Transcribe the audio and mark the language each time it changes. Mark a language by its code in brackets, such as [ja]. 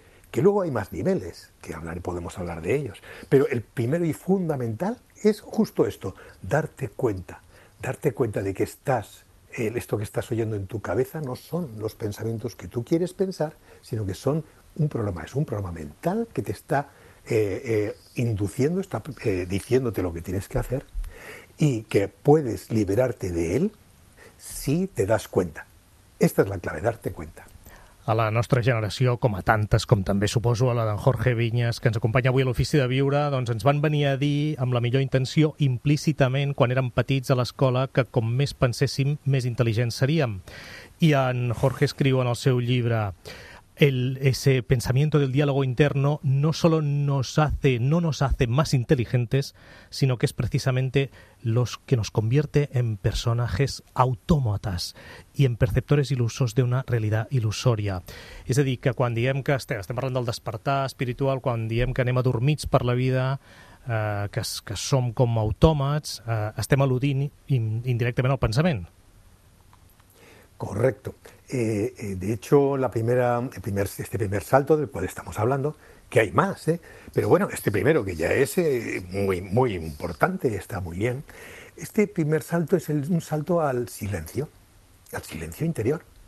[es] Que luego hay más niveles, podemos hablar de ellos. Pero el primero y fundamental es justo esto, darte cuenta de que esto que estás oyendo en tu cabeza no son los pensamientos que tú quieres pensar, sino que son un programa, es un programa mental que te está induciendo, está diciéndote lo que tienes que hacer. Y que puedes liberarte de él si te das cuenta. Esta es la clave, darte cuenta. [ca] A la nostra generació, com a tantes, com també suposo a la d'en Jorge Viñas, que ens acompanya avui a l'Ofici de Viure, doncs ens van venir a dir, amb la millor intenció, implícitament, quan érem petits a l'escola, que com més penséssim, més intel·ligents seríem. I en Jorge escriu en el seu llibre: [es] ese pensamiento del diálogo interno no solo no nos hace más inteligentes, sino que es precisamente los que nos convierte en personajes autómatas y en perceptores ilusos de una realidad ilusoria. [ca] És a dir, que quan diem que estem parlant del despertar espiritual, quan diem que anem adormits per la vida, que som com autòmats, estem al·ludint indirectament al pensament. [es] Correcto. De hecho, este primer salto del cual estamos hablando, que hay más, pero bueno, este primero, que ya es muy, muy importante, está muy bien, este primer salto es un salto al silencio interior.